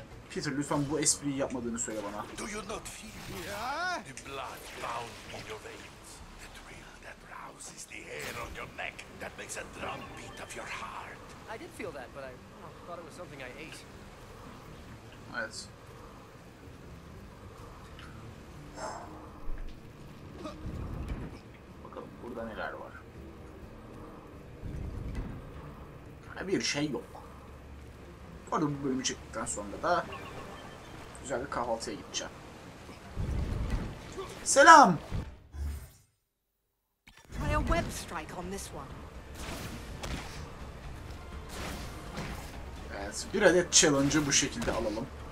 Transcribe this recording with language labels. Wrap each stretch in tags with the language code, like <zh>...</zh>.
<tr>Peter, lütfen bu espriyi yapmadığını söyle bana.</tr> <en>Do you not feel it? Yeah? The blood bound in your veins. The thrill that rouses the hair on your neck. That makes a drum beat of your heart. I did feel that, but I thought it was something I ate.</en> <tr>Evet. Bakalım burada neler var. Bir şey yok. Bu arada bu bölümü çektikten sonra da güzel bir kahvaltıya gideceğim. Selam.</tr> <en>Try a web strike on this one.</en> <tr>Evet, bir adet challenge'ı bu şekilde alalım.</tr>